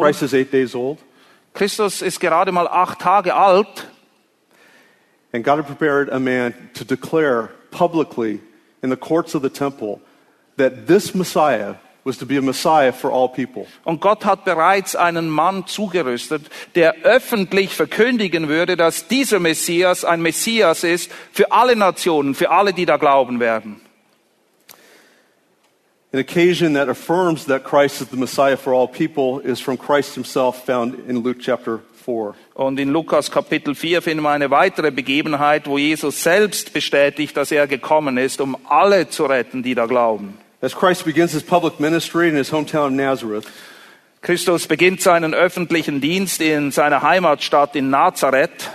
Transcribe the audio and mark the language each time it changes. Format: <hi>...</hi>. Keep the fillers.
<en>Christ is</en> <de>Christus ist gerade mal acht Tage alt.</de> <en>And God had prepared a man to declare publicly in the courts of the temple that this Messiah was to be a Messiah for all people.</en> <de>Und Gott hat bereits einen Mann zugerüstet, der öffentlich verkündigen würde, dass dieser Messias ein Messias ist für alle Nationen, für alle, die da glauben werden.</de> <en>An occasion that affirms that Christ is the Messiah for all people is from Christ himself found in Luke chapter</en> <de>Und in Lukas Kapitel 4 finden wir eine weitere Begebenheit, wo Jesus selbst bestätigt, dass er gekommen ist, um alle zu retten, die da glauben. Christus beginnt seinen öffentlichen Dienst in seiner Heimatstadt in Nazareth.</de>